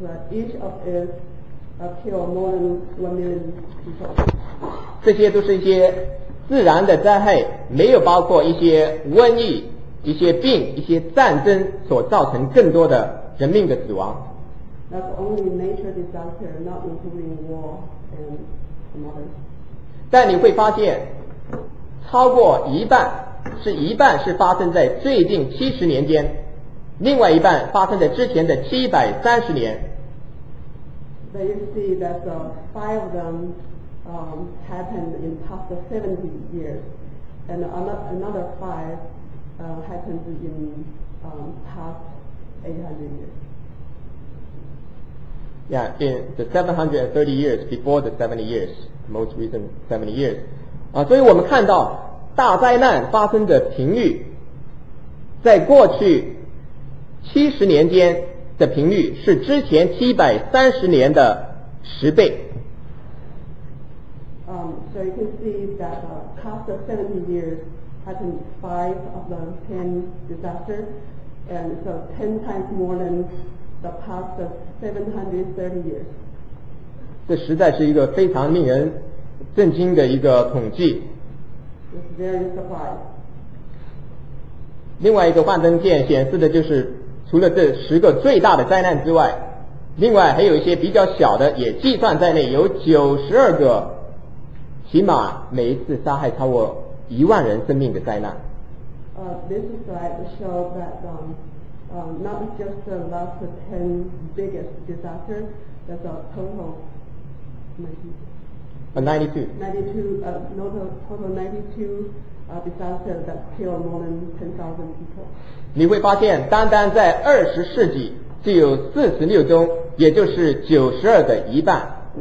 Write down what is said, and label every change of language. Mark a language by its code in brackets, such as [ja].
[en] Each of itkill more than 1 million people. [zh] 这些都是一些自然的灾害，没有包括一些瘟疫、一些病、一些战争所造成更多的人命的死亡。 [en] That's only nature disaster, not including war and some others. [zh] 但你会发现，超过一半是发生在最近70年间，另外一半发生在之前的730年。 [en] But you see that the five of them happened in past 70 years, and another five happened in past 800 years. Yeah, in the 730 years before the 70 years, the most recent 70 years. [zh] 所以我们看到大灾难发生的频率，在过去70年间的频率是之前730年的10倍。 [en] So you can see that past 70 years happened 5 of the 10 disasters, and so 10 times more than the past 730 years. [zh] 这实在是一个非常令人震惊的一个统计。 [en] It's very surprising. [zh] 另外一个幻灯片显示的就是。除了这10个最大的灾难之外，另外还有一些比较小的也计算在内，有92个，起码每一次杀害超过10000人生命的灾难。 [en] This is like show that not just the last 10 biggest disasters, there's a total 92 disaster that killed more than 10,000 people. [zh] 你会发现单单在20世纪就有46宗，也就是92的一半。